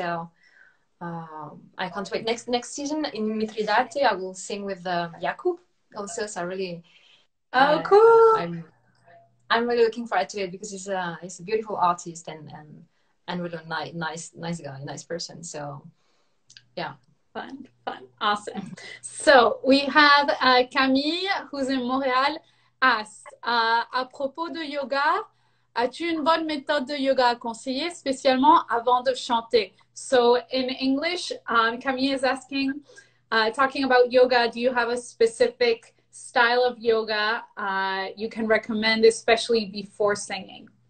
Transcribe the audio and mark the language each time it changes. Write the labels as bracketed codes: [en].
[en] So I can't wait. Next season in Mitridate, I will sing with Jakub. Also, so really. Oh, cool! I'm really looking forward to it because he's a beautiful artist and really nice guy, nice person. So, yeah. Fun, awesome. So we have Camille, who's in Montreal, asked, [fr] à propos de yoga, as-tu une bonne méthode de yoga à conseiller, spécialement avant de chanter? [en] So in English, Camille is asking, talking about yoga, do you have a specific style of yoga you can recommend, especially before singing?